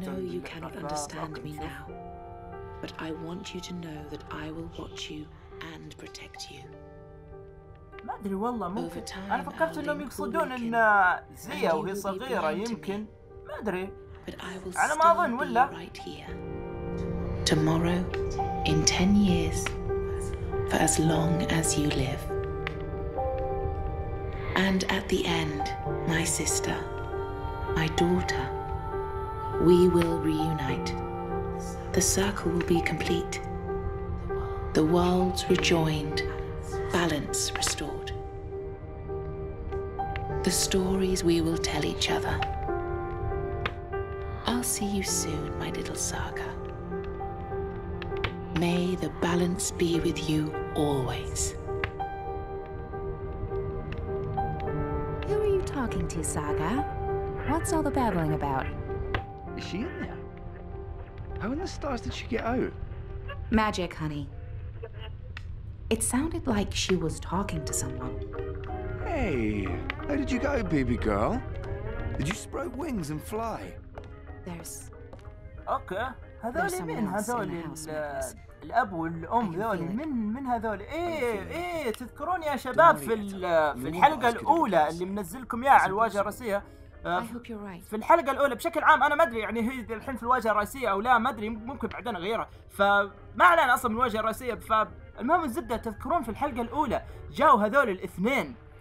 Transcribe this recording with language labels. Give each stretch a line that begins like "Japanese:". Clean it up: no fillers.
English: I know you cannot understand me now, but I want you to know that I will watch you and protect you.
Arabic: ما أدري والله ممكن. أنا فكرت إنهم يقصدون إن زيا وهي صغيرة يمكن. ما أدري. أنا ما أظن ولا.
English: Tomorrow, in 10 years, for as long as you live, and at the end, my sister, my daughter. We will reunite. The circle will be complete. The worlds rejoined, balance restored. The stories we will tell each other. I'll see you soon, my little Saga. May the balance be with you always. Who are you talking to, Saga? What's all the babbling about? Is she in there? How in the stars did she get out? Magic, honey. It sounded like she was talking to someone. Hey, how did you get out, baby girl? Did you sprout wings and fly? There's... Okay.
Arabic: هذول من هذول الأب والأم ذول من هذول إيه تذكرون يا شباب في الحلقة الأولى اللي منزلكم إياها على الواجهة الرئيسية في الحلقة الأولى بشكل عام أنا ما أدري يعني هي الحين في الواجهة الرئيسية أو لا ما أدري ممكن بعدين أغيرها فما أعلن أصلا من الواجهة الرئيسية فالمهم الزبدة تذكرون في الحلقة الأولى جاءوا هذول الاثنين